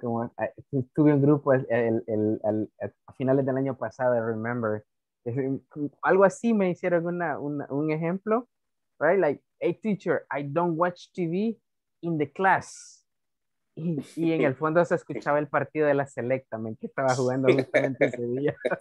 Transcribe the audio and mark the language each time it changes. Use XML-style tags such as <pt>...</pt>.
<es>Como, tuve un grupo a finales del año pasado,</es> <en>I remember.</en> <es>Algo así me hicieron un ejemplo, right?</es> <en>Like, hey, teacher, I don't watch TV in the class.</en> <es>Y en el fondo se escuchaba el partido de la selecta, man, que estaba jugando justamente ese día.</es>